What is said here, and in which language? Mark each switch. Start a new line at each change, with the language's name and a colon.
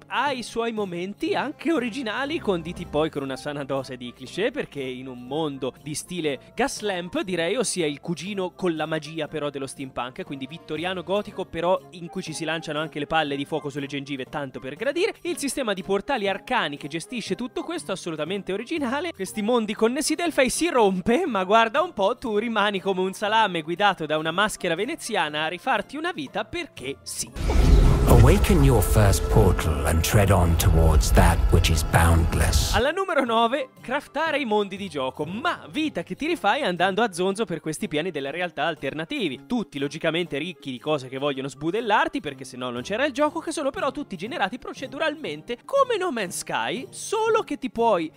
Italian: ha i suoi momenti anche originali conditi poi con una sana dose di cliché perché in un mondo di stile Gaslamp direi, ossia il cugino con la magia però dello steampunk, quindi vittoriano gotico però in cui ci si lanciano anche le palle di fuoco sulle gengive tanto per gradire, il sistema di portali arcani che gestisce tutto questo assolutamente originale, questi mondi connessi del fai si rompe ma guarda un po' tu rimani come un salame guidato da una maschera veneziana a rifarti una vita perché sì.
English: Awaken your first portal and tread on towards that which is boundless.
Italian: Alla numero 9, craftare i mondi di gioco, ma vita che ti rifai andando a zonzo per questi piani delle realtà alternativi, tutti logicamente ricchi di cose che vogliono sbudellarti perché sennò non c'era il gioco, che sono però tutti generati proceduralmente come No Man's Sky, solo che ti puoi